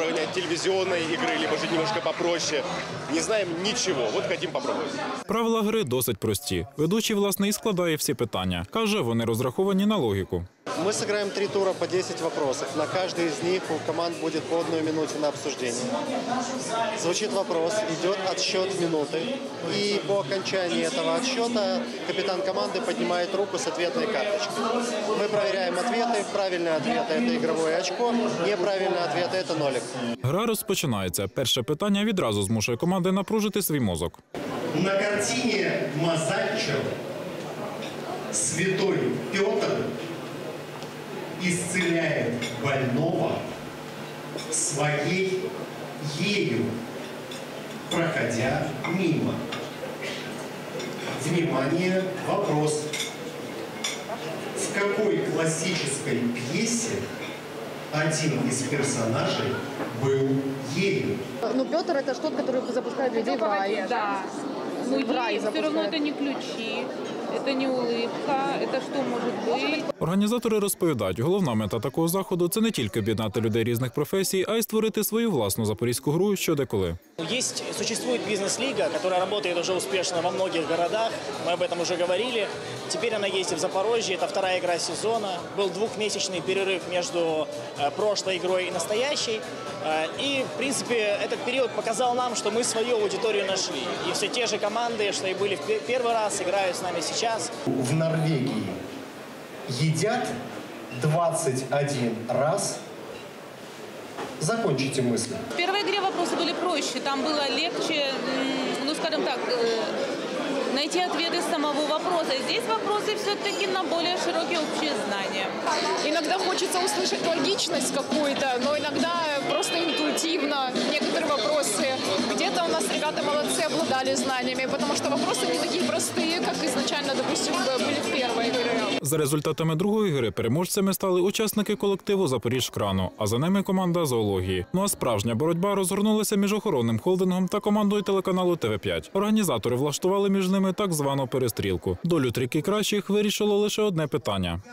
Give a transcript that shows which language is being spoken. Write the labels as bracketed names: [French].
[Ukrainian] Телевізійної ігри, або ж трохи попроще. Не знаємо нічого, от хочемо спробувати. Правила гри досить прості. Ведучий, власне, і складає всі питання. Каже, вони розраховані на логіку. [Russian] Мы сыграем 3 тура по 10 вопросов. На каждый из них у команд будет по 1 минуте на обсуждение. Звучит вопрос, идет отсчет минуты. И по окончании этого отсчета капитан команды поднимает руку с ответной карточкой. Мы проверяем ответы. Правильный ответ – это игровое очко. Неправильный ответ – это нолик. [Ukrainian] Гра розпочинається. Перше питання відразу змушує команди напружити свій мозок. [Russian] На картині Мазанчо святой Петр исцеляет больного своей ею, проходя мимо. Внимание, вопрос. В какой классической пьесе один из персонажей был ею? Ну, Петр – это тот, который запускает людей в рай. Да. Ну, ей все равно это не ключи. [Ukrainian] Це не улыбка, це що може бути? Організатори розповідають, головна мета такого заходу – це не тільки об'єднати людей різних професій, а й створити свою власну запорізьку гру щодеколи. Є бізнес-ліга, яка працює вже успішно [Russian] во многих городах, [Ukrainian] ми об этом вже говорили. [Russian] Теперь она есть и в Запорожье, это вторая игра сезона. Был двухмесячный перерыв между прошлой игрой и настоящей. И, в принципе, этот период показал нам, что мы свою аудиторию нашли. И все те же команды, что и были в первый раз, играют с нами сейчас. В Норвегии едят 21 раз. Закончите мысль. В первой игре вопросы были проще. Там было легче, ну, скажем так, найти ответы самого вопроса. Здесь вопросы все-таки на более широкие общие знания. Иногда хочется услышать логичность какую-то, но иногда просто интуитивно некоторые вопросы. Где-то у нас ребята молодцы, обладали знаниями, потому что вопросы не такие простые, как изначально, допустим, были в первой игре. [Ukrainian] За результатами другої гри переможцями стали учасники колективу «Запоріжкрану», а за ними команда «Зоології». Ну а справжня боротьба розгорнулася між охоронним холдингом та командою телеканалу ТВ5. Організатори влаштували між ними так звану перестрілку. Долю трійки кращих вирішило лише одне питання.